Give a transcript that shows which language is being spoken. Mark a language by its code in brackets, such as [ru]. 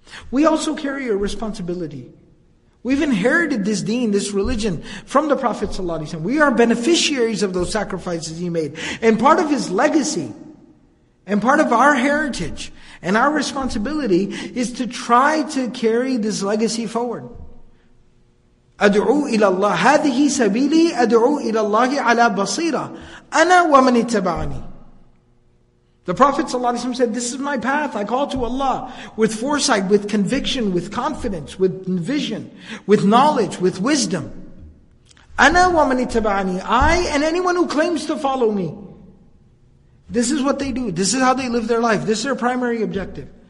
[en] We also carry a responsibility. We've inherited this deen, this religion from the Prophet ﷺ. We are beneficiaries of those sacrifices he made. And part of his legacy and part of our heritage and our responsibility is to try to carry this legacy forward. [ar] أدعو إلى الله هذه سبيلي أدعو إلى الله على بصيرة أنا ومن اتبعني. [en] The Prophet ﷺ said, this is my path, I call to Allah with foresight, with conviction, with confidence, with vision, with knowledge, with wisdom. [ar] أنا ومن اتبعني, [en] I and anyone who claims to follow me. This is what they do, this is how they live their life, this is their primary objective.